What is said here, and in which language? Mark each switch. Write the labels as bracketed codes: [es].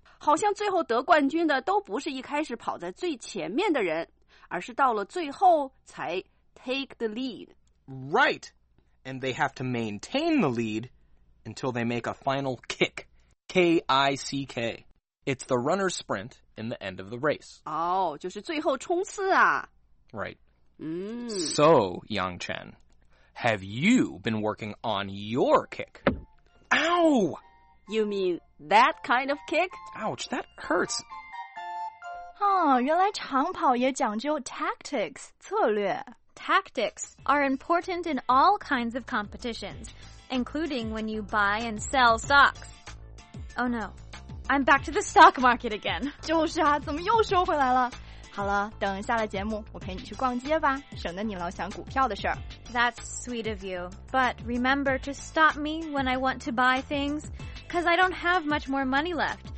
[zh] 好像最后得冠军的都不是一开始跑在最前面的人，而是到了最后才 [en] take the lead. Right. And they have to maintain the lead until they make a final kick. K-I-C-K. It's the runner's sprint in the end of the race. [zh] 哦、oh, 就是最后冲刺啊。 [en] Right.、So, Yangchen, have you been working on your kick? Ow! You mean... That kind of kick? Ouch, that hurts. [zh] 哦，原来长跑也讲究 tactics, 策略。 [en] Tactics are important in all kinds of competitions, including when you buy and sell stocks. Oh no, I'm back to the stock market again. [zh] 就是啊，怎么又说回来了？好了，等下了节目，我陪你去逛街吧，省得你老想股票的事儿。 [en] That's sweet of you, but remember to stop me when I want to buy things. Because I don't have much more money left.